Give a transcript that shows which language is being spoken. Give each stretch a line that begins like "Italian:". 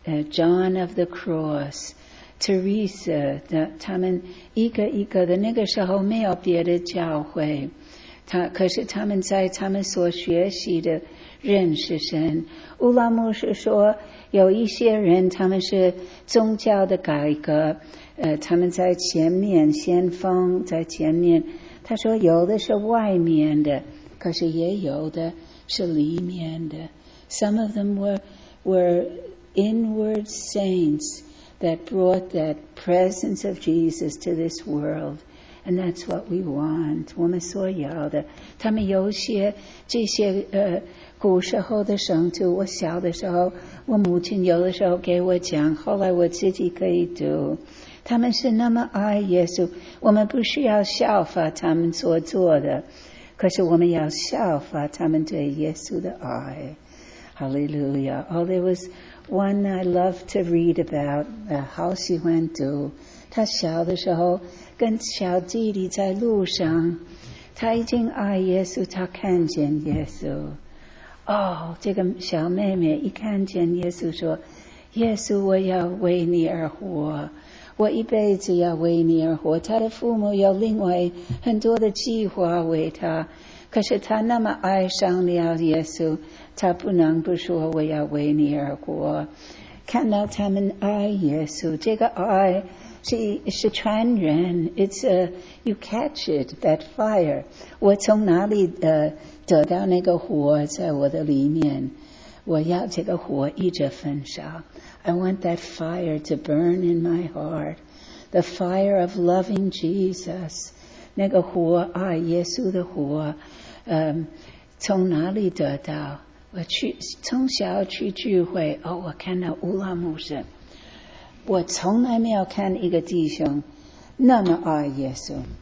Chinese: John of the Cross, Teresa, 他们一个一个的，那个时候没有别的教会，可是他们在他们所学习的认识神。乌拉牧师说，有一些人他们是宗教的改革，他们在前面先锋，在前面。他说有的是外面的，可是也有的是里面的。
English: Some of them were inward saints that brought that presence of Jesus to this world. And that's what we want.
Chinese: 我们所要的，他们有些这些古时候的圣徒，我小的时候，我母亲有的时候给我讲，后来我自己可以读。他们是那么爱耶稣，我们不需要效法他们所做的，可是我们要效法他们对耶稣的爱。
English: Hallelujah. Oh, there was one I love to read about,
Chinese: 好喜欢读。他小的时候跟小弟弟在路上，他已经爱耶稣，他看见耶稣。哦，这个小妹妹一看见耶稣说，耶稣，我要为你而活，我一辈子要为你而活。他的父母有另外很多的计划为他，可是他那么爱上了耶稣，他不能不说我要为你而活。看到他们爱耶稣，这个爱是传人。
English: It's a, you catch it, that fire.
Chinese: 我从哪里得到那个火在我的里面？我要这个火一直焚烧。
English: I want that fire to burn in my heart. The fire of loving Jesus.
Chinese: 那个火，爱耶稣的火，从哪里得到？我去从小去聚会，哦，我看到乌拉牧师，我从来没有看一个弟兄那么爱耶稣。